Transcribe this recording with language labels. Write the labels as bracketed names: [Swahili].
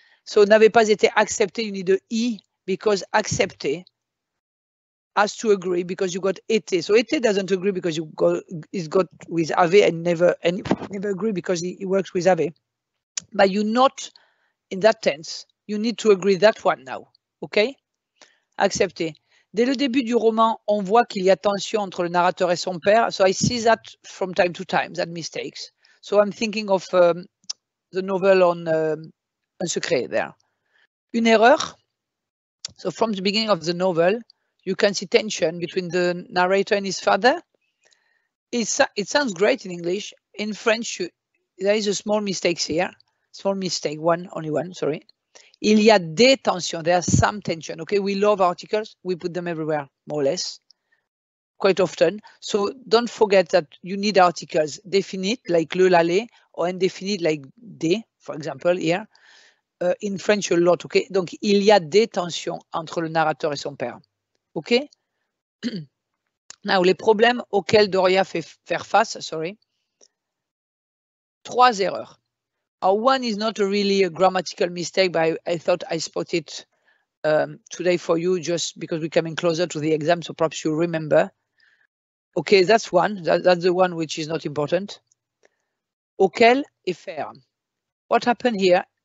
[English] So [French] n'avait pas été accepté, [English] you need the E, because accepté has to agree because you got été. So été doesn't agree because you got, it's got with ave and never agree because it works with ave. But you not, in that tense, you need to agree that one now, okay? [French] Accepté. Dès le début du roman, on voit qu'il y a tension entre le narrateur et son père. [English] So I see that from time to time, that mistakes. So I'm thinking of the novel on Un secret there. [French] Une erreur. [English] So from the beginning of the novel, you can see tension between the narrator and his father. It sounds great in English. In French, there is a small mistake here. Small mistake, one, only one, sorry. [French] Il y a des tensions, [English] there are some tension. Okay, we love articles, we put them everywhere, more or less, quite often. So don't forget that you need articles, definite, like le, la, les, or indefinite, like des, for example, here. In French, a lot, okay? [French] Donc, il y a des tensions entre le narrateur et son père, okay? Now, les problèmes auxquels Doria fait faire face, sorry. Trois erreurs. [English] One is not really a grammatical mistake, but I thought I spotted it today for you just because we're coming closer to the exam, so perhaps you remember. Okay, that's one. That's the one which is not important. [French] Auquel et faire. [English] What happened here?